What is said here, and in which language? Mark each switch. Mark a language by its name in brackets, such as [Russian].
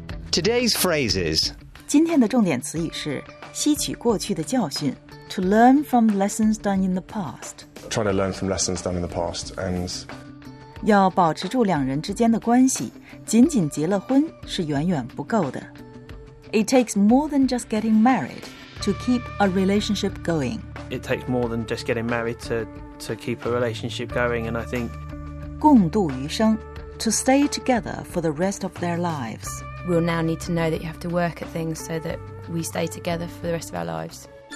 [English] Today's phrases. [Chinese] 今天的重点词语是吸取过去的教训 [English] To learn from lessons done in the past. Trying to learn from lessons done in the past. And [Chinese] 要保持住两人之间的关系，仅仅结了婚是远远不够的。 [English] It takes more than just getting married to keep a relationship going. It takes more than just getting married to to keep a relationship going, and I think [Chinese] 共度余生 [English] to stay together for the rest of their lives. We'll now need to know that you have to work at things so that we stay together for the rest of our lives.